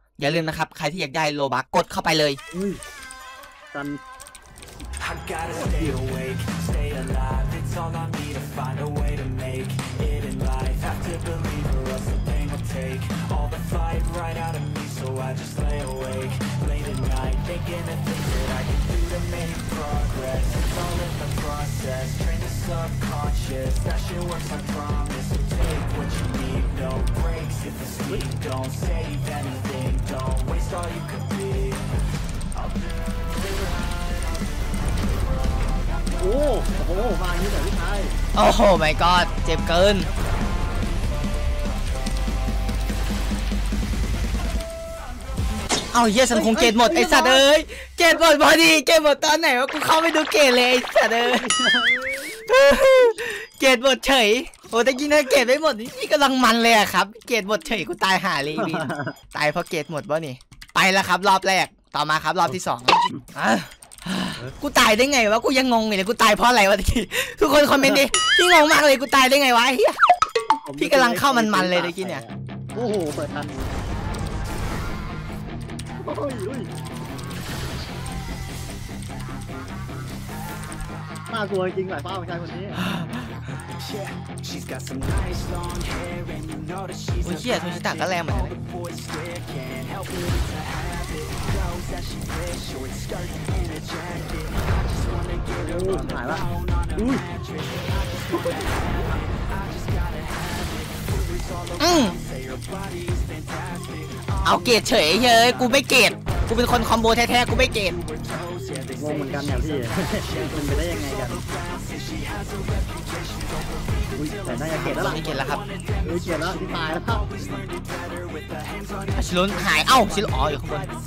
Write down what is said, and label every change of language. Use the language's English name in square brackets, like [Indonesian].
[Thai] อย่าลืมนะครับใครที่อยากได้โลบักกดเข้าไปเลย [English] Subconscious, that shit works, I promise. So take what you need, no breaks if you sleep. Don't save anything, don't waste all you could be. I'll do it right. [Thai] โอ้โหมาอย่างนี้แต่พี่ชายโอ้โหมายก็อดเจ็บเกินเอ้าเย้สันคงเกมหมดไอ้สัตว์เอ้ยเกมหมดพอดีเกมหมดตอนไหนวะกูเข้าไปดูเกมเลยไอ้สัตว์เอ้ย เกมหมดเฉยโอ้แต่กินนะเกมไม่หมดนี่กำลังมันเลยครับเกมหมดเฉยกูตายห่าเลยบินตายเพราะเกมหมดป่ะนี่ไปแล้วครับรอบแรกต่อมาครับรอบที่สองกูตายได้ไงวะกูยังงงอยู่เลยกูตายเพราะอะไรวะตะกี้ทุกคนคอมเมนต์ดิพี่งงมากเลยกูตายได้ไงวะไอ้เหี้ยพี่กำลังเข้ามันๆเลยตะกี้เนี่ย โอ้โหเปิดทันน่ากลัวจริงๆหลายป้าของชายคนนี้ [English] She's got some nice long hair and you know that she's a bad bitch. All the boys there can't help it, it's a habit. Knows that she wears short skirt and a jacket. I just wanna get her on the phone on a mattress. I just wanna have it, I just gotta have it. Words all around say your body's fantastic. [Thai] เอาเกตเฉยเฮ้ยกูไม่เกตกูเป็นคนคอมโบแท้ๆกูไม่เกต งงเหมือนกันเนี่ยพี่มันเป็นได้ยังไงกันแต่น่าจะเกตแล้วล่ะ เกตแล้วครับ เกตแล้วที่ตายแล้วครับ ชิลล์หายเอ้าชิลล์อ๋ออยู่ข้างบน